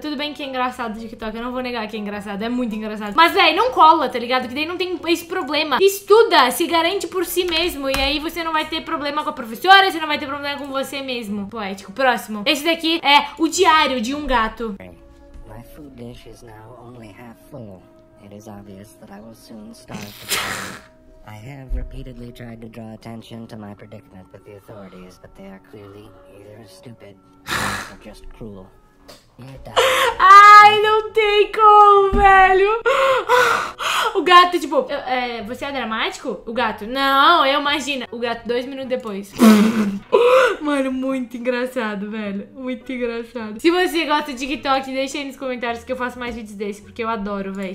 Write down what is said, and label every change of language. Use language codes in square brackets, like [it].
[pt] Tudo bem que é engraçado o TikTok, eu não vou negar que é engraçado. É muito engraçado. Mas, velho, não cola, tá ligado? Que daí não tem esse problema. Estuda, se garante por si mesmo. E aí você não vai ter problema com a professora, você não vai ter problema com você mesmo. Poético. Próximo. Esse daqui é o diário de um gato. [en] My food dish is now only half full. It is obvious that I will soon start. I have repeatedly tried to draw attention to my predicament with the authorities, but they are clearly either stupid or just cruel. [pt] Ai, não tem como, velho. O gato, tipo, você é dramático? O gato, não, eu imagino. O gato, 2 minutos depois. Mano, muito engraçado, velho. Muito engraçado. Se você gosta de TikTok, deixa aí nos comentários que eu faço mais vídeos desse, porque eu adoro, velho.